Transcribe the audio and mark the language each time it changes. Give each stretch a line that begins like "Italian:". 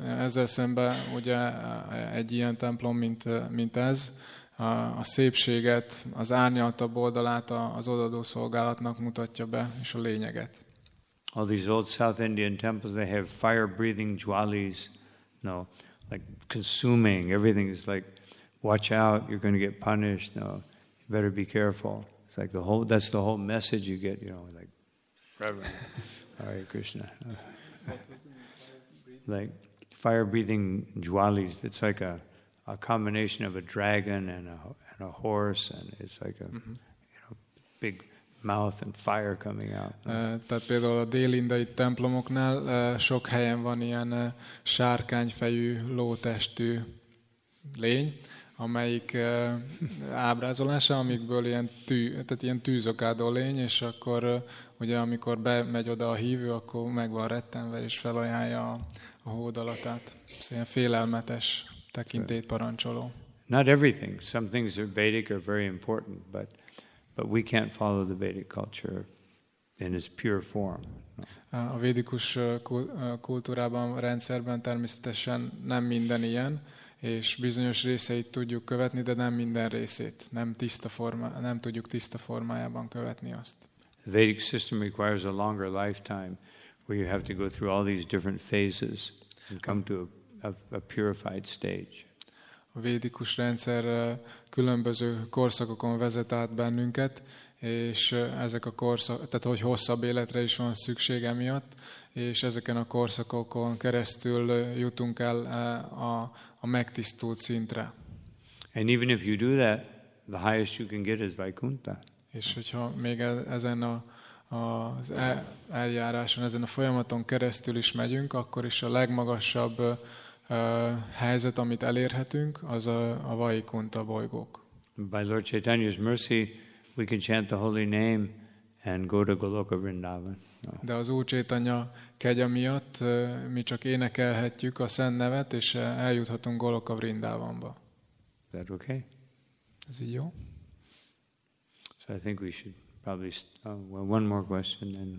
Hungarian: Ezzel szemben ugye egy ilyen templom, mint ez, a szépséget, az árnyaltabb oldalát az odaadó szolgálatnak mutatja be, és a lényeget.
English: All these old South Indian temples, they have fire-breathing jwalis, no, like consuming, everything is like, watch out, you're going to get punished, no, you better be careful. It's like the whole, that's the whole message you get, you know, like, Reverend, Hare Krishna. Like fire-breathing jwalis, it's like a combination of a dragon and a horse, and it's like a you know, big mouth and fire coming out.
Hungarian: Tehát például a délindai templomoknál sok helyen van ilyen sárkányfejű, lótestű lény, amelyik ábrázolása, amikből ilyen tűzokádó lény, és akkor ugye amikor bemegy oda a hívő, akkor meg van rettenve, és felajánlja a hódalatát. Ez ilyen félelmetes tekintélyt parancsoló.
English: Not everything. Some things are Vedic are very important, but we can't follow the Vedic culture in its pure form.
Hungarian: A védikus kultúrában, rendszerben természetesen nem minden ilyen, és bizonyos részeit tudjuk követni, de nem minden részét. Nem tudjuk tiszta formájában követni azt.
English: The Vedic system requires a longer lifetime where you have to go through all these different phases and come to a purified stage.
Hungarian: A védikus rendszer különböző korszakokon vezet át bennünket, és ezek a korszak, tehát hogy hosszabb életre is van szüksége miatt, és ezeken a korszakokon keresztül jutunk el a megtisztult szintre.
English: And even if you do that, the highest you can get is Vaikuntha.
Hungarian: És hogyha még ezen az eljáráson, ezen a folyamaton keresztül is megyünk, akkor is a legmagasabb helyzet, amit elérhetünk, az a Vaikuntha bolygók.
English: By Lord Chaitanya's mercy, we can chant the holy name and go to Goloka Vrindavan.
Hungarian: De az Úr Chaitanya kegye miatt mi csak énekelhetjük a szent nevet, és eljuthatunk Goloka Vrindavanba.
English: Is that okay?
Hungarian: Ez így jó?
English: So I think we should probably one more question.